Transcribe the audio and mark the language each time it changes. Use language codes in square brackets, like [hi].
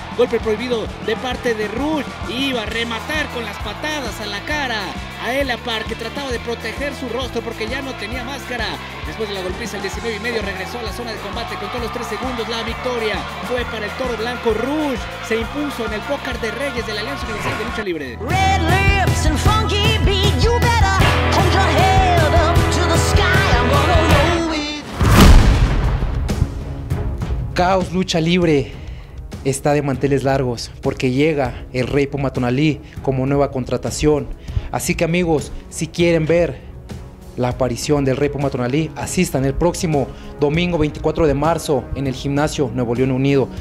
[es] Golpe prohibido de parte de Rush. Iba a rematar con las patadas a la cara a Elia Park, que trataba de proteger su rostro porque ya no tenía máscara. Después de la golpiza, el 19 y medio regresó a la zona de combate con todos los 3 segundos. La victoria fue para el Toro Blanco. Rush se impuso en el póker de Reyes de la Alianza Universal de Lucha Libre. [en] Red lips and funky beat, you better hold your head up to the sky. I'm gonna roll it. [es] Caos Lucha Libre está de manteles largos porque llega el Rey Puma Tonalí como nueva contratación. Así que amigos, si quieren ver la aparición del Rey Puma Tonalí, asistan el próximo domingo 24 de marzo en el gimnasio Nuevo León Unido.